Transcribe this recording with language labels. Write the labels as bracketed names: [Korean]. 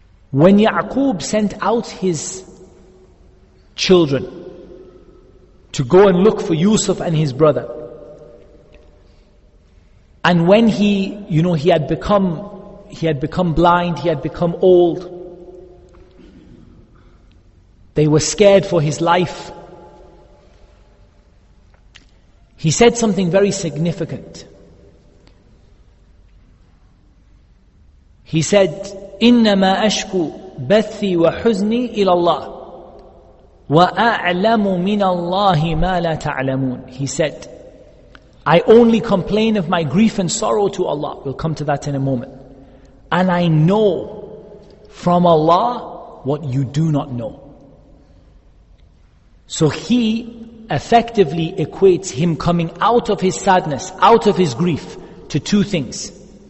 [English] When Ya'qub sent out his children to go and look for Yusuf and his brother, and when he had become blind, he had become old, they were scared for his life. He said something very significant. He said, [Arabic] إِنَّمَا أَشْكُوا بَثِّي وَحُزْنِي إِلَى اللَّهِ وَأَعْلَمُ مِنَ اللَّهِ مَا لَا تَعْلَمُونَ. [English] He said, I only complain of my grief and sorrow to Allah. We'll come to that in a moment. And I know from Allah what you do not know. So he effectively equates him coming out of his sadness, out of his grief, to two things.